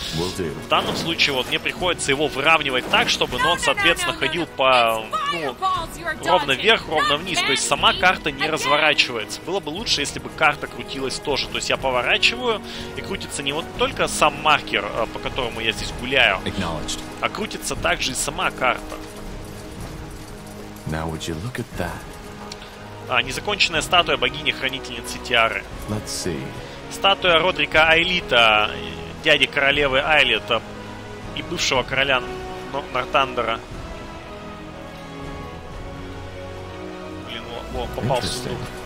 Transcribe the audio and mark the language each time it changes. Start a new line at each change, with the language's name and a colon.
Russian: В данном случае вот мне приходится его выравнивать так, чтобы, ну, он, соответственно, ходил по, ну, ровно вверх, ровно вниз. То есть сама карта не разворачивается. Было бы лучше, если бы карта крутилась тоже. То есть я поворачиваю, и крутится не вот только сам маркер, по которому я здесь гуляю, а крутится также и сама карта.
English: Now would you look at that?
Russian: Незаконченная статуя богини-хранительницы Тиары.
English: Let's see.
Russian: Статуя Родрика Айлита, дяди королевы Айлита и бывшего короля Нортандера. Блин, о, попал в стук.